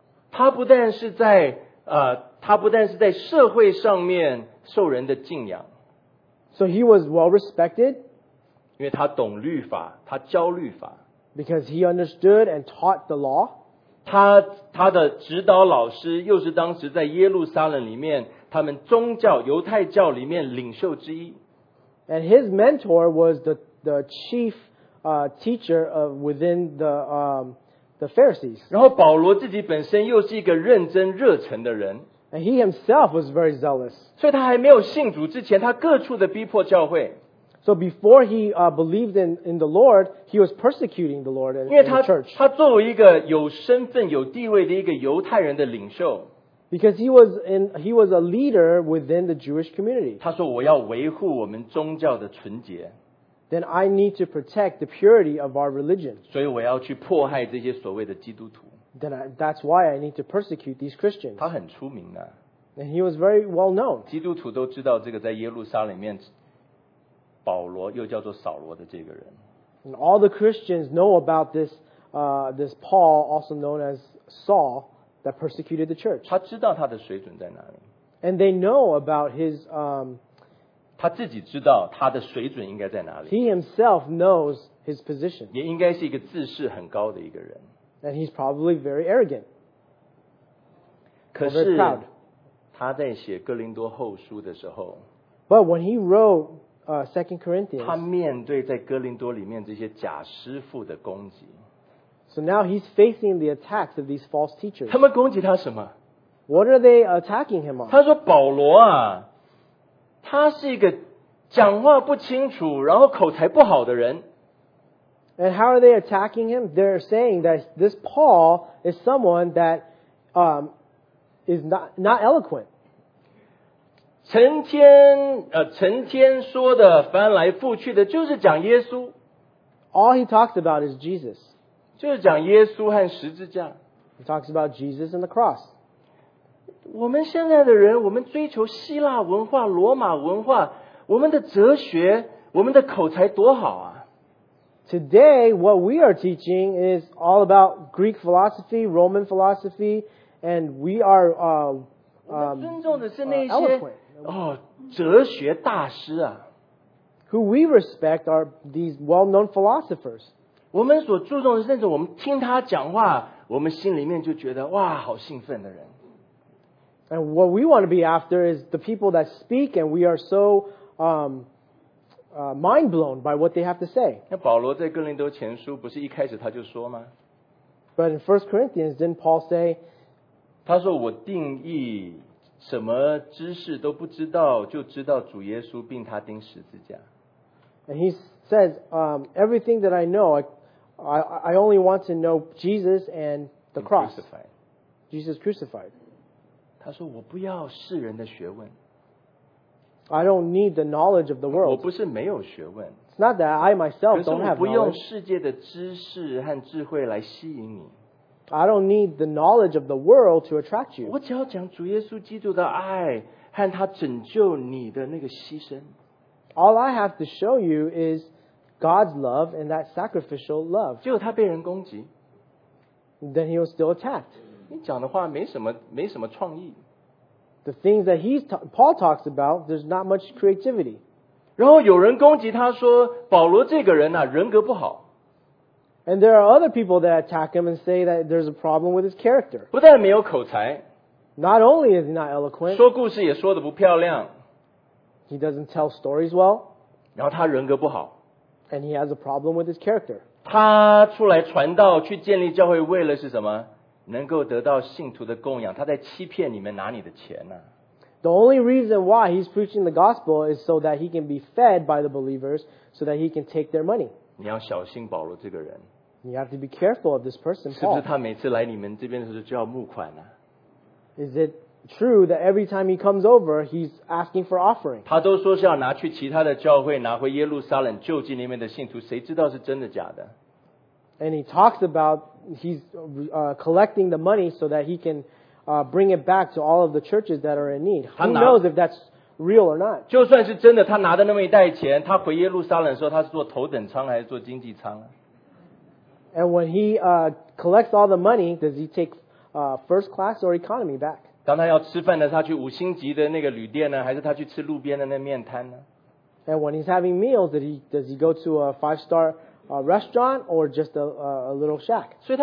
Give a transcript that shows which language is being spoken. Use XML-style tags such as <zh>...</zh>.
<zh>他不但是在他不但是在社会上面受人的敬仰。</zh> <en>So he was well respected.</en> <zh>因为他懂律法，他教律法。</zh> <en>Because he understood and taught the law.</en> <zh>他的指导老师又是当时在耶路撒冷里面他们宗教犹太教里面领袖之一。</zh> <en>And his mentor was the chief teacher of within the Pharisees.</en> <zh>然后保罗自己本身又是一个认真热忱的人。</zh> <en>And he himself was very zealous.</en> <zh>所以他还没有信主之前，他各处的逼迫教会。</zh> <en>So before he believed in the Lord, he was persecuting the Lord and the church.</en> <zh>他作为一个有身份、有地位的一个犹太人的领袖。</zh> <en>Because he was a leader within the Jewish community.</en> <zh>他说：“我要维护我们宗教的纯洁。”</zh> <en>Then I need to protect the purity of our religion.</en> <zh>所以我要去迫害这些所谓的基督徒。</zh> <en>Then that's why I need to persecute these Christians.</en> <zh>他很出名的。</zh> <en>And he was very well known.</en> <zh>基督徒都知道这个在耶路撒冷里面。保罗又叫做扫罗的这个人。</zh> <en>And all the Christians know about this Paul, also known as Saul, that persecuted the church.</en> <zh>他知道他的水准在哪里。</zh> <en>And they know about his,</en> <zh>他自己知道他的水准应该在哪里。</zh> <en>He himself knows his position.</en> <zh>也应该是一个自视很高的一个人。</zh> <en>And he's probably very arrogant.</en> <zh>可是</zh> <en>very proud.</en> <zh>他在写哥林多后书的时候。</zh> <en>But when he wrote Second Corinthians.</en> <zh>他面对在哥林多里面这些假师傅的攻击。</zh> <en>So now he's facing the attacks of these false teachers.</en> <zh>他们攻击他什么？</zh> <en>What are they attacking him on?</en> <zh>他说保罗啊，他是一个讲话不清楚，然后口才不好的人。</zh> <en>And how are they attacking him? They're saying that this Paul is someone that is not eloquent.</en> <zh>成天说的翻来覆去的就是讲耶稣。</zh> <en>All he talks about is Jesus.</en> <zh>就是讲耶稣和十字架。</zh> <en>He talks about Jesus and the cross.</en> <zh>我们现在的人，我们追求希腊文化、罗马文化，我们的哲学、我们的口才多好啊。</zh> <en>Today, what we are teaching is all about Greek philosophy, Roman philosophy, and we are,</en> <zh>我们尊重的是那些哲学大师啊。</zh> <en>Who we respect are these well-known philosophers.</en> <zh>我们所注重的是那种我们听他讲话我们心里面就觉得哇好兴奋的人。</zh> <en>And what we want to be after is the people that speak and we are so mind-blown by what they have to say.</en> <zh>那保罗在哥林多前书不是一开始他就说吗？</zh> <en>But in 1 Corinthians, didn't Paul say,</en> <zh>他说我定义什么知识都不知道，就知道主耶稣并他钉十字架。</zh> <en>And he says, everything that I know, I only want to know Jesus and the cross. Crucified. Jesus crucified.</en> <zh>他说我不要世人的学问。</zh> <en>I don't need the knowledge of the world.</en> <zh>我不是没有学问。</zh> <en>It's not that I myself don't have knowledge.</en> <zh>可是我不用世界的知识和智慧来吸引你。</zh> <en>I don't need the knowledge of the world to attract you.</en> <zh>我只要讲主耶稣基督的爱和他拯救你的那个牺牲。</zh> <en>All I have to show you is God's love and that sacrificial love.</en> <zh>结果他被人攻击。</zh> <en>Then he was still attacked.</en> <zh>你讲的话没什么创意。</zh> <en>The things that Paul talks about, there's not much creativity.</en> <zh>然后有人攻击他说保罗这个人啊人格不好。</zh> <en>And there are other people that attack him and say that there's a problem with his character.</en> <zh>不但没有口才。</zh> <en>Not only is he not eloquent.</en> <zh>说故事也说得不漂亮。</zh> <en>He doesn't tell stories well.</en> <zh>然后他人格不好。</zh> <en>And he has a problem with his character.</en> <zh>他出来传道去建立教会为了是什么？能够得到信徒的供养。他在欺骗你们拿你的钱啊。</zh> <en>The only reason why he's preaching the gospel is so that he can be fed by the believers so that he can take their money.</en> <zh>你要小心保罗这个人。</zh> <en>You have to be careful of this person, Paul.</en> <zh>是不是他每次来你们这边的时候就要募款啊？</zh> <en>Is it true that every time he comes over, he's asking for offering.</en> <zh>他都说是要拿去其他的教会，拿回耶路撒冷救济那边的信徒，谁知道是真的假的？</zh> <en>And he talks about he's collecting the money so that he can bring it back to all of the churches that are in need. Who knows if that's real or not?</en> <zh>就算是真的，他拿的那么一袋钱，他回耶路撒冷说他是坐头等舱还是坐经济舱？</zh> <en>And when he collects all the money, does he take first class or economy back?</en> <zh>刚才要吃饭的，他去五星级的那个旅店呢，还是他去吃路边的那面摊呢？</zh> <en>And when he's having meals, does he go to a five-star restaurant or just a little shack?</en>